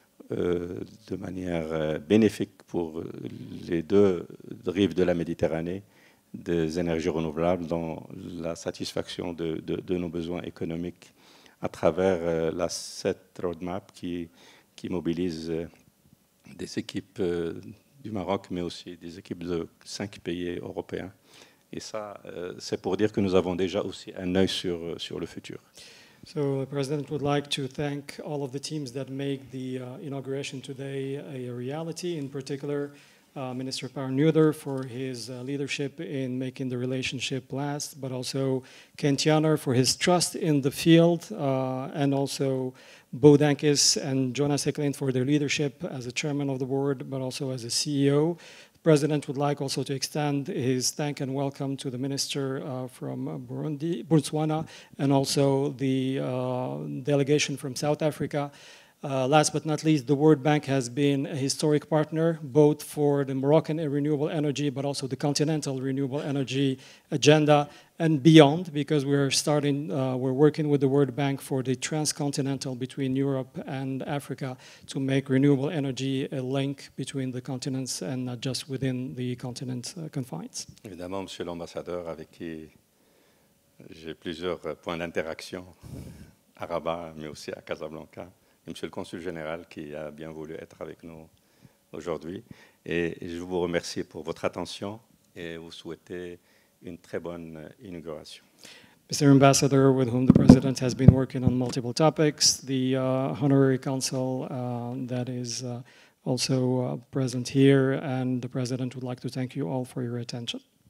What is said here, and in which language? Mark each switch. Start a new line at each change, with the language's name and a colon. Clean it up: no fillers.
French: de manière bénéfique pour les deux rives de la Méditerranée des énergies renouvelables dans la satisfaction de nos besoins économiques à travers la CET Roadmap qui mobilise des équipes du Maroc, mais aussi des équipes de 5 pays européens. Et ça, c'est pour dire que nous avons déjà aussi un œil sur le futur.
English: So the president would like to thank all of the teams that make the inauguration today a reality, in particular Minister Pat Noor for his leadership in making the relationship last, but also Kent Janer for his trust in the field, and also Bo Dankis and Jonas Eklind for their leadership as a chairman of the board, but also as a CEO. The president would like also to extend his thank and welcome to the minister from Burundi, Botswana, and also the delegation from South Africa. Last but not least, the World Bank has been a historic partner, both for the Moroccan renewable energy, but also the continental renewable energy agenda and beyond, because we're working with the World Bank for the transcontinental between Europe and Africa to make renewable energy a link between the continents and not just within the continent's confines.
French: Évidemment, Monsieur l'Ambassadeur, avec qui j'ai plusieurs points d'interaction à Rabat, mais aussi à Casablanca, et Monsieur le Consul Général qui a bien voulu être avec nous aujourd'hui. Et je vous remercie pour votre attention et vous souhaitez une très bonne inauguration.
English: Mr. Ambassador, with whom the President has been working on multiple topics, the Honorary Consul that is also present here, and the President would like to thank you all for your attention.